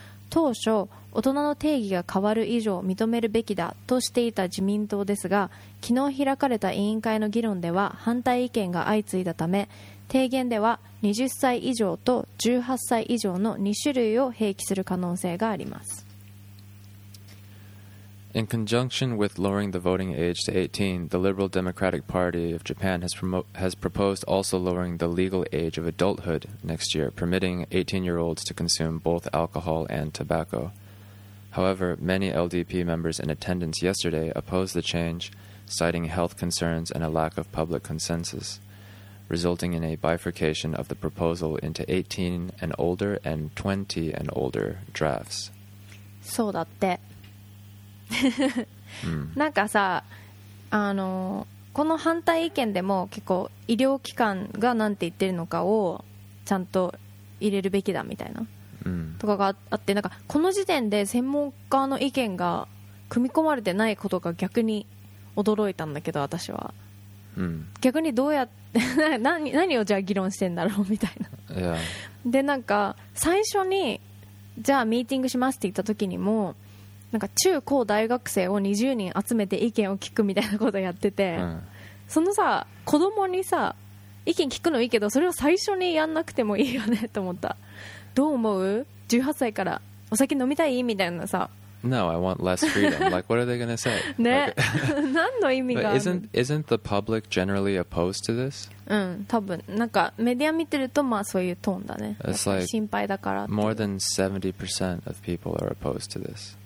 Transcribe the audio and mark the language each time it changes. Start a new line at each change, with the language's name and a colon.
Japanese: 当初、大人の定義が変わる以上認めるべきだとしていた自民党ですが、昨日開かれた委員会の議論では反対意見が相次いだため、提言では20歳以上と18歳以上の2種類を併記する可能性があります。
English: In conjunction with lowering the voting age to 18, the Liberal Democratic Party of Japan has proposed also lowering the legal age of adulthood next year, permitting 18-year-olds to consume both alcohol and tobacco. However, many LDP members in attendance yesterday opposed the change, citing health concerns and a lack of public consensus. Resulting in a bifurcation of the proposal into 18 and older and 20 and older drafts.
Japanese: そうだって。なんかさ、この反対意見でも結構医療機関がなんて言ってるのかをちゃんと入れるべきだみたいな、とかがあって、なんかこの時点で専門家の意見が組み込まれてないことが逆に驚いたんだけど、私は。逆にどうやって何をじゃあ議論してんだろうみたいな、でなんか最初にじゃあミーティングしますって言った時にも、なんか中高大学生を20人集めて意見を聞くみたいなことやってて、そのさ、子供にさ意見聞くのいいけど、それを最初にやんなくてもいいよねと思った。どう思う、18歳からお酒飲みたいみたいなさ。
English: No, I want less freedom. Like, what are they going to say?
Japanese: ね、何の意味が。
English: isn't the public generally opposed to this?
Japanese: うん、多分なんかメディア見てるとまあそういうトーンだね。
English: It's like
Japanese: 心配だから。
English: More than 70% of people are opposed to this.